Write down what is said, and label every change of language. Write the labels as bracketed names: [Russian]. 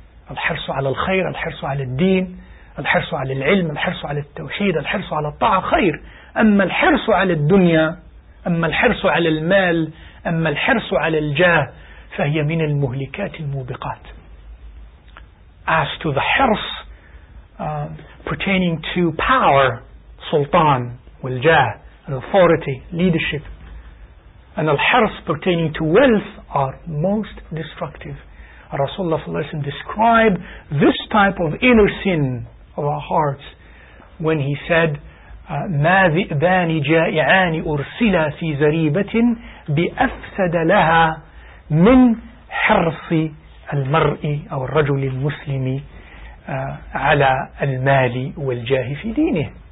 [Arabic] الحرص على الخير, الحرص على الدين, الحرص على العلم, الحرص على التوحيد, الحرص على الطاعة خير. أما الحرص على الدنيا, أما الحرص على المال, أما الحرص على الجاه, فهي من المهلكات الموبقات. [English] As to the حرص pertaining to power, [Arabic] سلطان والجاه, [English] and authority, leadership, and الحرص pertaining to wealth are most destructive. [Arabic] Rasulullah sallallahu alayhi wa sallam [English] described this type of inner sin of our hearts when he said, [Arabic] مَا ذِئْبَانِ جَائِعَانِ أُرْسِلَ فِي زَرِيبَةٍ بِأَفْسَدَ لَهَا مِنْ حِرْصِ الْمَرْءِ أو الرجل المسلم على المال والجاه في دينه.